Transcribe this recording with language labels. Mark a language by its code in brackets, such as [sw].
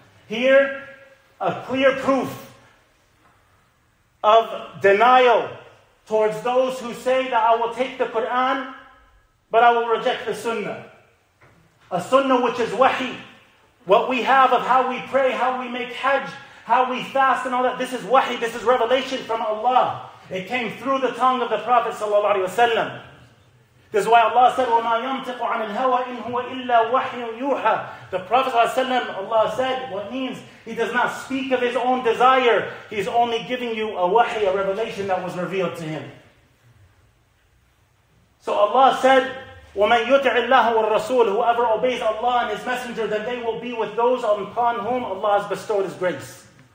[en] Here, a clear proof of denial towards those who say that I will take the Quran, but I will reject the Sunnah. A sunnah which is wahi. What we have of how we pray, how we make hajj, how we fast and all that. This is wahi. This is revelation from Allah. It came through the tongue of the Prophet sallallahu alaihi wasallam. This is why Allah said, [ar] وَمَا يَمْتِقُ عَنِ الْهَوَىٰ إِنْ هُوَ إِلَّا وَحْيٌ يُوحَىٰ. [en] The Prophet sallallahu alaihi wasallam, Allah said, what means? He does not speak of his own desire. He's only giving you a wahi, a revelation that was revealed to him. So Allah said, [ar] وَمَن يُطِعِ اللَّهَ وَالرَّسُولَ, [en] whoever obeys Allah and His Messenger, then they will be with those upon whom Allah has bestowed His grace.